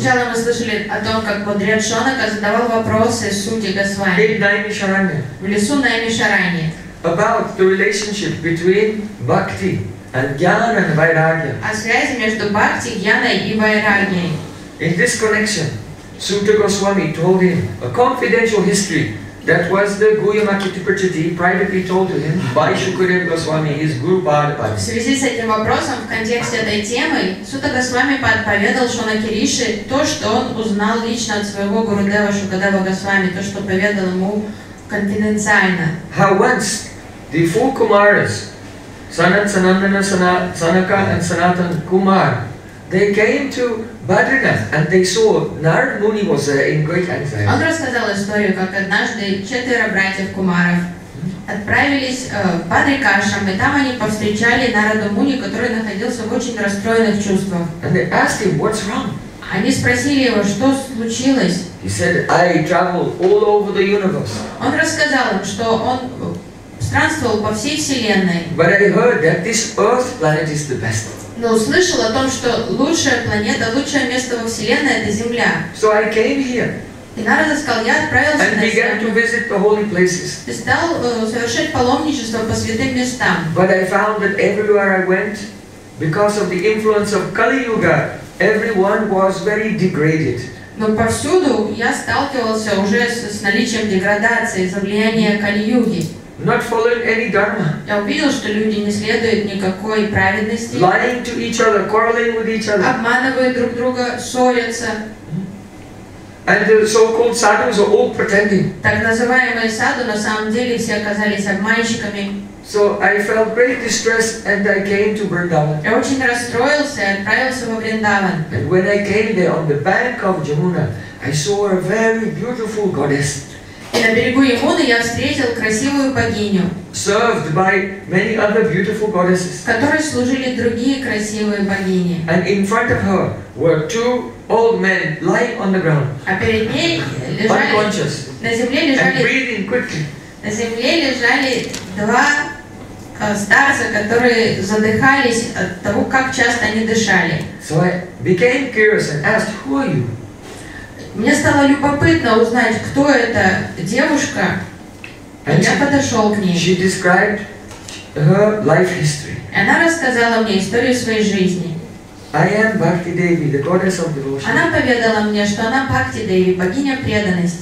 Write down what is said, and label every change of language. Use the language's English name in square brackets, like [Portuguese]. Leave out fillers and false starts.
[Russian] Сначала мы слышали о том, как мудрец Шонака задавал вопросы Сути Госвами в лесу Наймишарани [English] about the relationship between Bhakti and Jnana and Vairagya. [Russian] О связи между Бхакти, Джняной и Вайрагьей. [English] In this connection, Sutta Goswami told him a confidential history. That was the Guyamaki Tipurchati privately told to him by Shukadev Goswami, his Guru Padpad. [Russian] В связи с этим вопросом, в контексте этой темы, Сута Госвами поведал Шонаке Риши то, что он узнал лично от своего Гурудева Шукадева Госвами, то, что поведал ему конфиденциально. [English] How once the four Kumaras, Sanat Sanandana Sanaka and Sanatan Kumar, they came to Badrinath and they saw Narad Muni was in great anxiety. [Russian] Он рассказал историю, как однажды четверо братьев Кумаров отправились в Бадрикашам, и там они повстречали Нараду Муни, который находился в очень расстроенных чувствах. [English] And they asked him, what's wrong? [Russian] Они спросили его, что случилось? [English] He said, I traveled all over the universe. [Russian] Он рассказал, что он странствовал по всей вселенной. [English] But I heard that this earth planet is the best. [Russian] Но услышал о том, что лучшая планета, лучшее место во Вселенной — это Земля. [English] So I came here. [Russian] И Нарада сказал, я отправился [English] and began to visit the holy places. [Russian] И стал совершать паломничество по святым местам. [English] But I found that everywhere I went, because of the influence of Kali Yuga, everyone was very degraded. [Russian] Но повсюду я сталкивался уже с наличием деградации, за влияние Кали Юги. [English] Not following any dharma. [Russian] Я увидел, что люди не следуют никакой праведности. [English] Lying to each other, quarreling with each other. [Russian] Обманывают друг друга, ссорятся. [English] And the so-called sadhus are all pretending. [Russian] Так называемые саду на самом деле все оказались обманщиками. [English] So I felt great distress and I came to Vrindavan. [Russian] Я очень расстроился и отправился во Вриндаван. [English] And when I came there on the bank of Jamuna, I saw a very beautiful goddess. [Russian] И на берегу Ямуны я встретил красивую богиню. [English] Served by many other beautiful goddesses. [Russian] Которой служили другие красивые богини. [English] And in front of her were two old men lying on the ground. [Russian] А перед ней лежали [English] unconscious. [Russian] На земле лежали. [English] And breathing quickly. [Russian] На земле лежали два старца, которые задыхались от того, как часто они дышали. [English] So I became curious and asked, "Who are you?" [Russian] Мне стало любопытно узнать, кто эта девушка. [English] And [Russian] я подошел к ней. [English] She described her life history. [Russian] Она рассказала мне историю своей жизни. [English] I am Bhakti Devi, the goddess of devotion. [Russian] Она поведала мне, что она Бхакти Деви, богиня преданности.